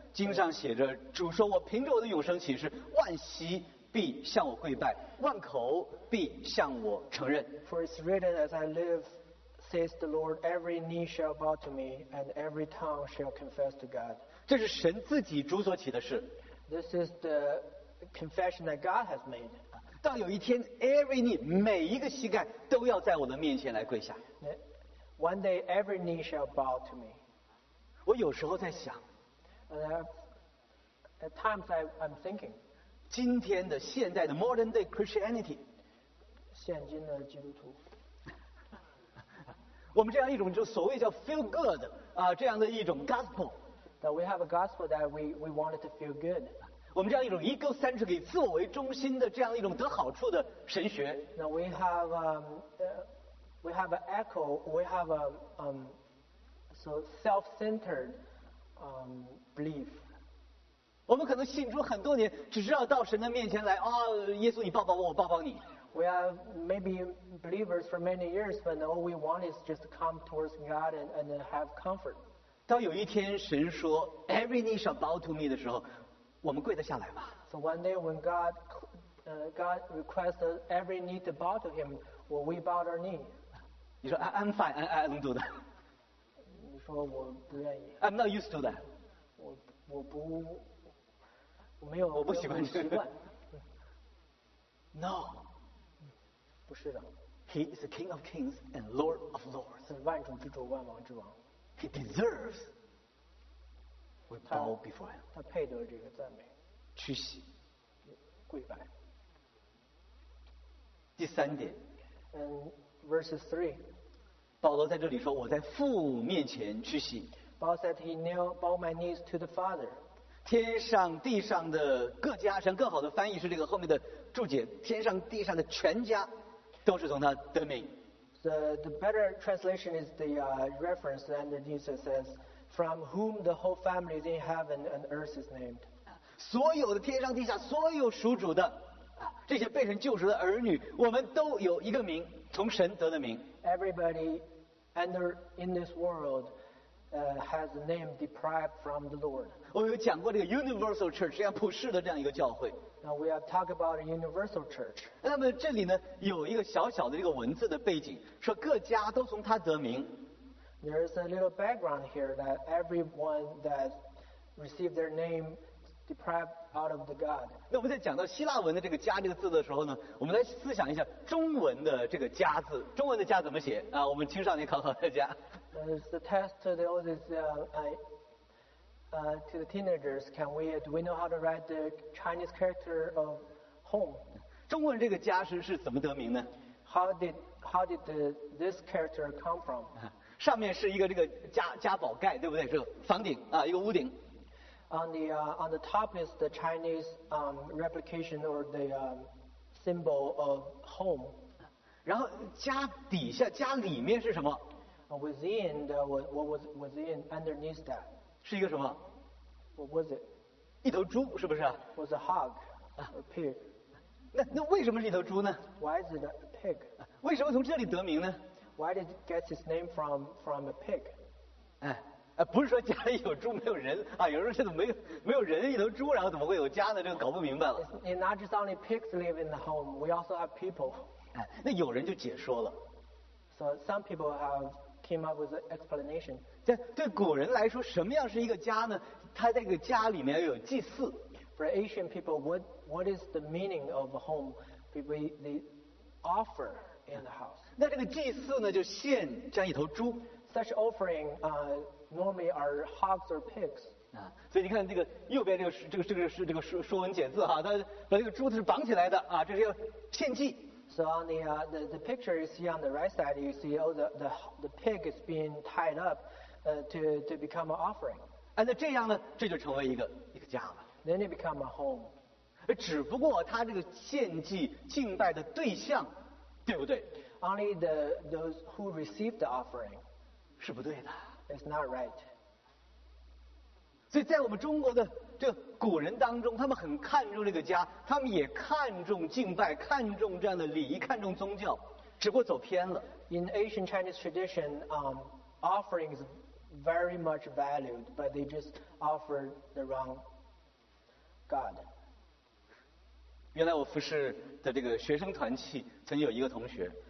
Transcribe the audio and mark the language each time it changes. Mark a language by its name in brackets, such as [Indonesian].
[Chinese] 经上写着，主说我凭着我的永生启示，万膝。必向我跪拜，万口必向我承认。 [English] For it's written, as I live, says the Lord, every knee shall bow to me, and every tongue shall confess to God. [Chinese] 这是神自己主所起的誓。 [English] This is the confession that God has made. [Chinese] 到有一天 ， [English] every knee [Chinese] 每一个膝盖都要在我的面前来跪下。 [English] One day, every knee shall bow to me. [Chinese] 我有时候在想。 [English] At times, I'm thinking. [Chinese] 今天的现代的 [English] modern day Christianity， [Chinese] 现今的基督徒，我们这样一种就所谓叫 [English] feel good [Chinese] 啊，这样的一种 gospel， [English] that we have a gospel that we wanted to feel good， [Chinese] 我们这样一种 egocentric 以自我为中心的这样一种得好处的神学。 [English] 那 we have self-centered belief。 [Chinese] 我们可能信主很多年，只知道到神的面前来啊、哦，耶稣，你抱抱我，我抱抱你。 [English] We are maybe believers for many years, but all we want is just to come towards God and have comfort. [Chinese] 到有一天神说 [English] Every knee shall bow to me [Chinese] 的时候，我们跪得下来吗 [English] ？So one day when God requests every knee to bow to Him, will we bow our knee? [Chinese] 你说 [English] I'm fine, I don't do that. [Chinese] 你说我不愿意。 [English] I'm not used to that. [Chinese] 我不习惯。 [English] No. [Chinese] 不是的。 [English] He is the King of Kings and Lord of Lords. [Chinese] 是万主之主，万王之王。 [English] He deserves. We bow before him. [Chinese] 他配得这个赞美。屈膝。归来。第三点。 [English] Verses 3. [Chinese] 保罗在这里说，我在父面前屈膝。 [English] Paul said he knelt, bowed my knees to the Father. [Chinese] 天上地上的各家，神更好的翻译是这个后面的注解，天上地上的全家都是从他得名。 [English] The better translation is the reference that underneath it says, from whom the whole family in heaven and earth is named. [Chinese] 所有的天上地下，所有属主的，这些被神救赎的儿女，我们都有一个名，从神得的名。 [English] Everybody under in this world has a name derived from the Lord. [Chinese] 我有讲过这个 [English] universal church， [Chinese] 这样普世的这样一个教会。 [English] Now we have talked about a universal church. [Chinese] 那么这里呢，有一个小小的这个文字的背景，说各家都从他得名。 [English] There is a little background here that everyone that received their name deprived out of the God. [Chinese] 那我们在讲到希腊文的这个家这个字的时候呢，我们来思想一下中文的这个家字，中文的家怎么写啊？我们青少年考考大家。 [English] It's the test to the oldest, to the teenagers. Do we know how to write the Chinese character of home? [Chinese] 中文这个家是怎么得名呢 [English] ？How did this character come from? [Chinese] 上面是一个这个家宝盖，对不对？是房顶啊，一个屋顶。 [English] On the top is the Chinese replication or the symbol of home. [Chinese] 然后家底下家里面是什么？ [English] Within the what was within underneath that [Chinese] 是一个什么 [English] ？What was it？ [Chinese] 一头猪是不是 [English] ？Was a hog a pig？ [Chinese] 那为什么是一头猪呢 [English] ？Why is it a pig？ [Chinese] 为什么从这里得名呢 [English] ？Why did it get its name from a pig？ [Chinese] 哎，不是说家里有猪没有人啊？有人说怎么没有人一头猪，然后怎么会有家呢？这个搞不明白了。 [English] It's not just only pigs live in the home. We also have people. [Chinese] 哎，那有人就解说了。 [English] So some people have. Came up with an explanation. [Chinese] 对古人来说，什么样是一个家呢？他在一个家里面要有祭祀。 [English] For Asian people, what is the meaning of a home? They offer in the house. [Chinese] 那这个祭祀呢，就献这样一头猪。 [English] Such offering normally are hogs or pigs. [Chinese] 所以你看这个右边这个说文解字哈，他把这个猪是绑起来的啊，这是要献祭。 [English] So on the picture you see on the right side, you see the pig is being tied up to become an offering. [Chinese] And 这样呢，这就成为一个家了。 [English] Then it become a home. [Chinese] 只不过他这个献祭敬拜的对象，对不对 [English] ？Only those who receive the offering. [Chinese] 是不对的。 [English] It's not right. [Chinese] 所以在我们中国的。这古人当中，他们很看重这个家，他们也看重敬拜，看重这样的礼仪，看重宗教，只不过走偏了。 [English] In ancient Chinese tradition, offering is very much valued, but they just offer the wrong God. [Chinese] 原来我服侍的这个学生团契，曾经有一个同学。